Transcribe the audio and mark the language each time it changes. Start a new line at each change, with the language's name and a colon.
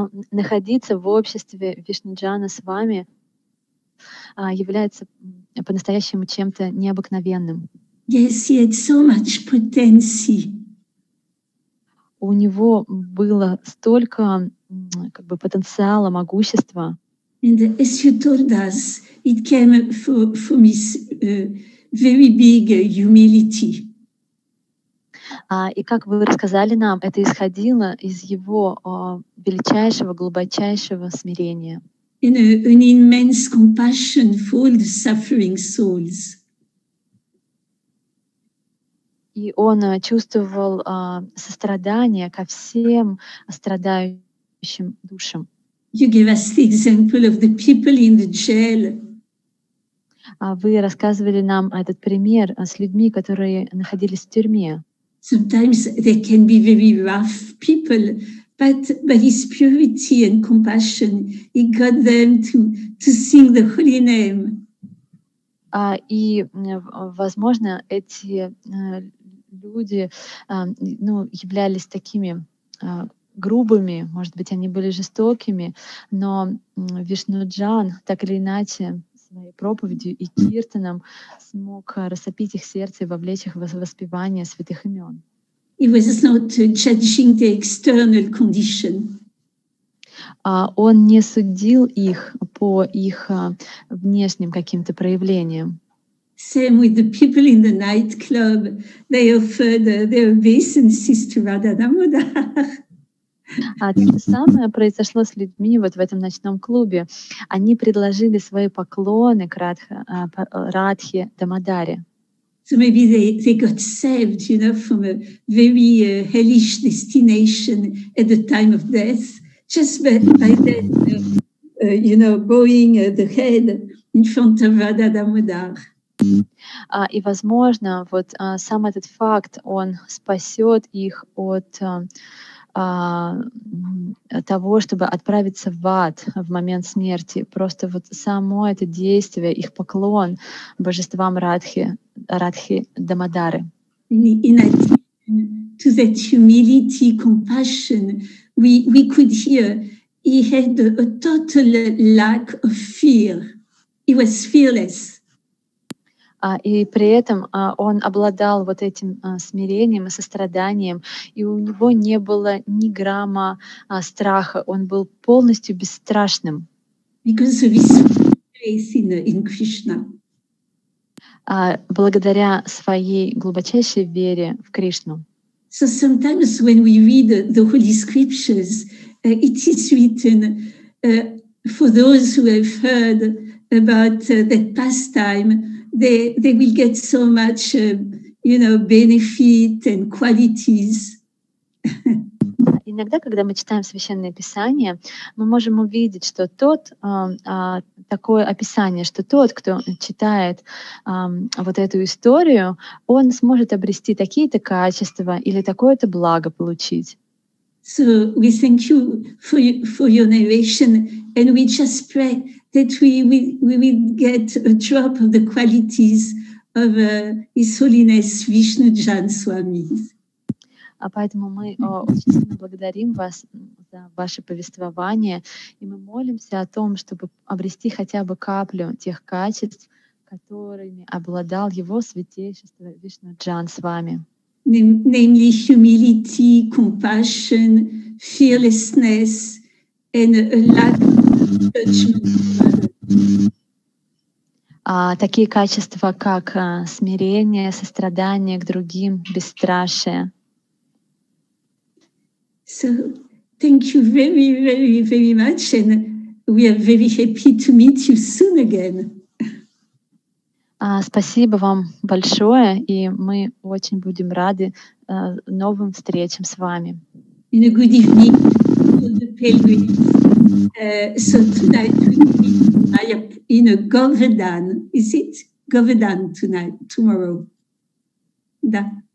Russian: Находиться в обществе Вишнуджана с вами является по-настоящему чем-то необыкновенным.
English: Yes, he had so much potency.
Russian: У него было столько как бы потенциала, могущества.
English: And as you told us, it came from his very big humility.
Russian: И как вы рассказали нам, это исходило из его величайшего, глубочайшего смирения.
English: And an immense compassion for all the suffering souls.
Russian: И он чувствовал сострадание ко всем страдающим душам.
English: You gave us the example of the people in the jail.
Russian: Вы рассказывали нам этот пример с людьми, которые находились в тюрьме.
English: Sometimes they can be very rough people, but his purity and compassion, he got them to sing the holy name.
Russian: И, возможно, эти люди, ну, являлись такими грубыми, может быть, они были жестокими, но Вишнуджан так или иначе своей проповедью и киртаном смог рассопить их сердце и вовлечь их в воспевание святых имен.
English: He was not judging the external condition.
Russian: Он не судил их по их внешним каким-то проявлениям.
English: Same with the people in the nightclub. They offered their obeisances to Radha Damodar.
Russian: То же самое произошло с людьми вот в этом ночном клубе. Они предложили свои поклоны к Радхе Дамодаре.
English: So maybe they got saved, you know, from a very hellish destination at the time of death, just by then, you know, bowing the head in front of Radha Damodar.
Russian: И, возможно, вот сам этот факт, он спасет их от того, чтобы отправиться в ад в момент смерти. Просто вот само это действие, их поклон божествам Радхи, Радхи Дамодары.
English: In addition to that humility, compassion, we could hear he had a total lack of fear. He was fearless.
Russian: И при этом он обладал вот этим смирением и состраданием, и у него не было ни грамма страха, он был полностью бесстрашным.
English: Because of his faith in Krishna.
Russian: Благодаря своей глубочайшей вере в Кришну.
English: So sometimes when we read the holy scriptures, it is written for those who have heard about that pastime, they will get so much, you know, benefit and qualities.
Russian: Иногда, когда мы читаем Священное Писание, мы можем увидеть, что тот, такое описание, что тот, кто читает вот эту историю, он сможет обрести такие-то качества или такое-то благо получить.
English: So we thank you for your narration, and we just pray that we will get a drop of the qualities of His Holiness Vishnu Jan Swami.
Russian: А поэтому мы очень сильно благодарим вас за ваше повествование, и мы молимся о том, чтобы обрести хотя бы каплю тех качеств, которыми обладал Его Святейшество Вишну Джан с вами.
English: Namely humility, compassion, fearlessness, and a lack of judgment.
Russian: Такие качества, как смирение, сострадание к другим, бесстрашие.
English: So, thank you very, very, very much, and we are very happy to meet you soon again.
Russian: Спасибо вам большое, и мы очень будем рады новым встречам с вами.
English: In a good evening, all the pilgrims. So tonight we meet in a Govardhan. Is it Govardhan tonight, tomorrow?
Russian: Да.